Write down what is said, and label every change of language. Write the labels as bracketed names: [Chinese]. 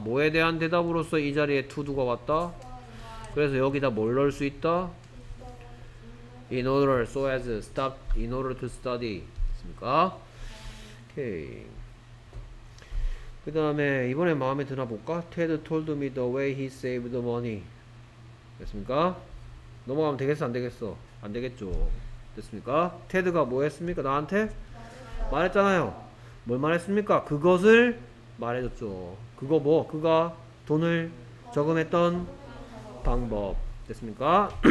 [Korean] 뭐에 대한 대답으로서 이 자리에 to 두고 왔다. 그래서 여기다 뭘 넣을 수 있다? [English] In order, so as, stop, in order to study. [Korean] 됐습니까? 오케이. 그 다음에, 이번에 마음에 드나 볼까? [English] Ted told me the way he saved the money. [Korean] 됐습니까? 넘어가면 되겠어, 안 되겠어? 안 되겠죠. 됐습니까? Ted가 뭐 했습니까? 나한테? 말했잖아요. 뭘 말했습니까? 그것을 말해줬죠. 그거 뭐? 그가 돈을 저금했던 방법. 됐습니까?